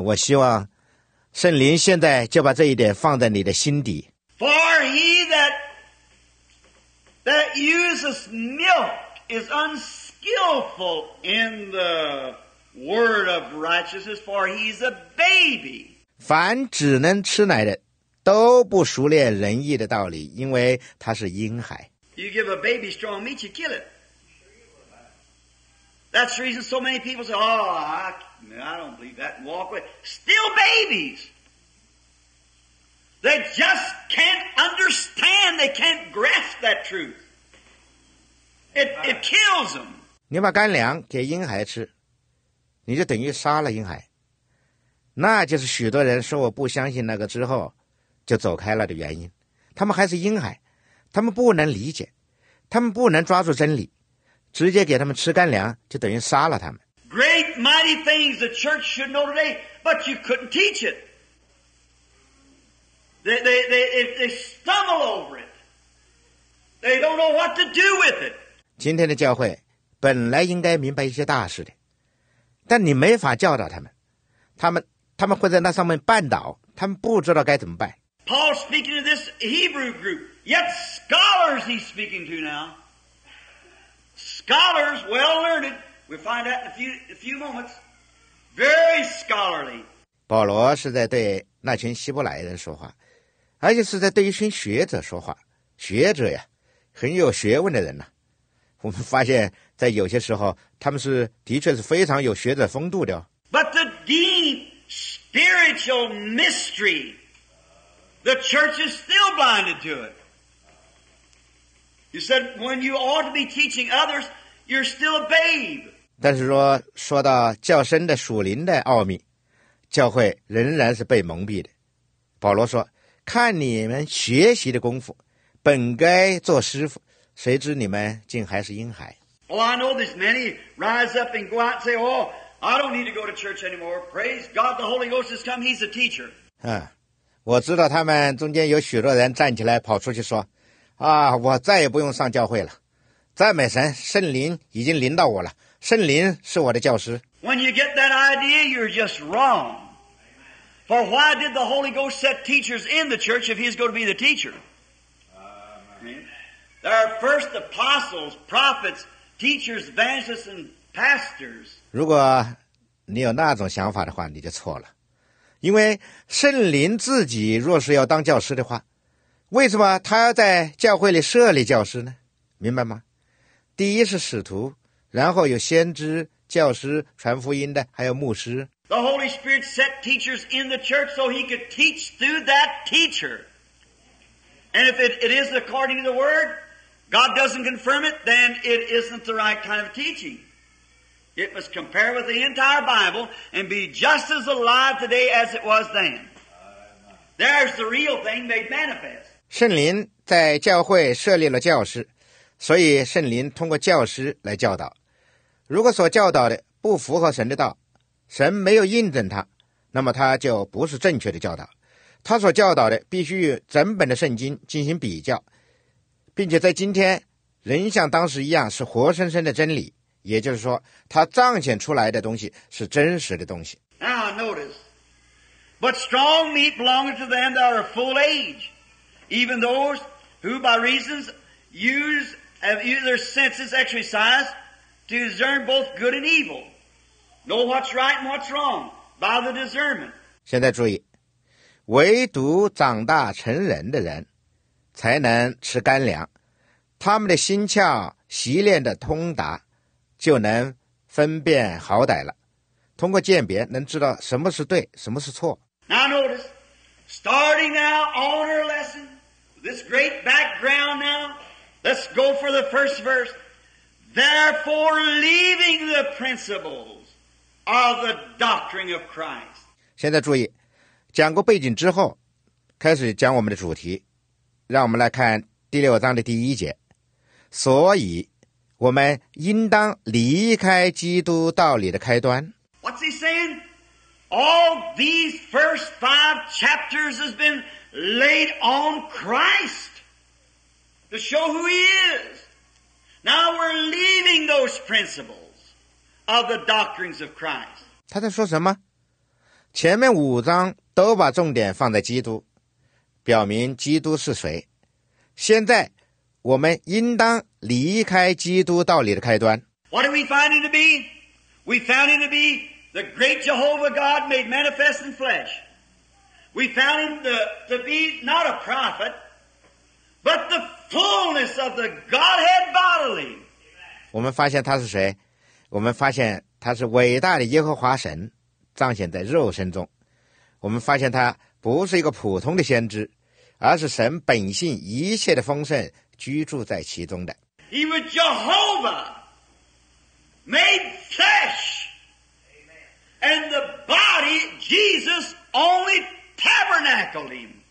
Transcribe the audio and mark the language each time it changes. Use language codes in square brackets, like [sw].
[zh] 我希望圣灵现在就把这一点放在你的心底。 [en] For he that uses milk is unskillful in the word of righteousness, for he's a baby. [zh] 凡只能吃奶的都不熟练仁义的道理，因为他是婴孩。 [en] You give a baby strong meat, you kill it. That's the reason so many people say, I don't believe that, and walk away. Still babies. They just can't understand, they can't grasp that truth. It kills them. [zh] 你把干粮给婴孩吃，你就等于杀了婴孩。那就是许多人说我不相信那个之后就走开了的原因。他们还是婴孩，他们不能理解，他们不能抓住真理，直接给他们吃干粮就等于杀了他们。 [en] Great mighty things the church should know today, but you couldn't teach it. They stumble over it. They don't know what to do with it. [zh] 今天的教会本来应该明白一些大事的，但你没法教导他们，他们会在那上面绊倒，他们不知道该怎么办。 [en] Paul's speaking to this Hebrew group, yet scholars he's speaking to now. Scholars, well-learned, we'll find out in a few moments, very scholarly. [zh] 保罗是在对那群希伯来人说话，而且是在对一群学者说话，学者呀，很有学问的人呐。我们发现在有些时候，他们是的确是非常有学者风度的。 [en] But the deep spiritual mystery, the church is still blinded to it. You said when you ought to be teaching others, you're still a babe. [zh] 但是说到较深的属灵的奥秘，教会仍然是被蒙蔽的。保罗说，看你们学习的功夫，本该做师傅，谁知你们竟还是婴孩。 [en] Well, I know there's many rise up and go out and say, oh, I don't need to go to church anymore. Praise God, the Holy Ghost has come, he's a teacher. [zh] 我知道他们中间有许多人站起来跑出去说，啊，我再也不用上教会了。赞美神，圣灵已经临到我了，圣灵是我的教师。 [en] When you get that idea, you're just wrong. For why did the Holy Ghost set teachers in the church if he's going to be the teacher? There are first apostles, prophets, teachers, evangelists, and pastors. [zh] 如果你有那种想法的话，你就错了。因为圣灵自己若是要当教师的话，为什么他要在教会里设立教师呢？明白吗？第一是使徒，然后有先知、教师、传福音的，还有牧师。 [en] The Holy Spirit set teachers in the church so he could teach through that teacher. And if it is according to the word, God doesn't confirm it, then it isn't the right kind of teaching. It must compare with the entire Bible and be just as alive today as it was then. There's the real thing made manifest. [zh] 圣灵在教会设立了教师，所以圣灵通过教师来教导。如果所教导的不符合神的道，神没有印证他，那么他就不是正确的教导。他所教导的必须与整本的圣经进行比较，并且在今天仍像当时一样是活生生的真理。也就是说，它彰显出来的东西是真实的东西。 [en] Now notice, but strong meat belongs to them that are full age, even those who by reasons use their senses exercise to discern both good and evil, know what's right and what's wrong by the discernment. [zh] 现在注意，唯独长大成人的人才能吃干粮，他们的心窍习练的通达。就能分辨好歹了，通过鉴别能知道什么是对，什么是错。 [en] Now notice, starting now on our lesson, this great background now, let's go for the first verse. Therefore, leaving the principles of the doctrine of Christ. [zh] 现在注意，讲过背景之后，开始讲我们的主题，让我们来看第六章的第一节。所以我们应当离开基督道理的开端。 [en] What's he saying? All these first five chapters has been laid on Christ to show who he is. Now we're leaving those principles of the doctrines of Christ. [zh] 他在说什么？前面五章都把重点放在基督，表明基督是谁。现在我们应当离开基督道理的开端。 [en] What are we finding to be? We found him to be the great Jehovah God made manifest in flesh. We found him to be not a prophet, but the fullness of the Godhead bodily. [zh] 我们发现他是谁？我们发现他是伟大的耶和华神，彰显在肉身中。我们发现他不是一个普通的先知，而是神本性一切的丰盛居住在其中的。 [en] He was Jehovah made flesh, and the body Jesus only tabernacled him.